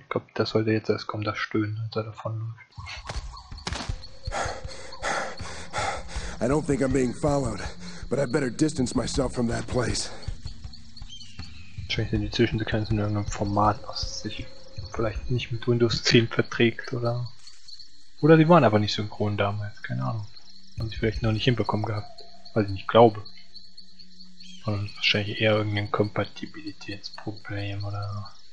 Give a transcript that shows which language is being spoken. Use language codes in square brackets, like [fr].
[de] Ich glaube, das sollte jetzt erst kommen, das Stöhnen, als er davon läuft. [en] I don't think I'm being followed, but I better distance myself from that place. [de] Wahrscheinlich sind die Zwischensequenzen in irgendeinem Format, was sich vielleicht nicht mit Windows 10 verträgt oder. Oder die waren aber nicht synchron damals, keine Ahnung. Haben sie vielleicht noch nicht hinbekommen gehabt, weil ich nicht glaube. Sondern wahrscheinlich eher irgendein Kompatibilitätsproblem oder.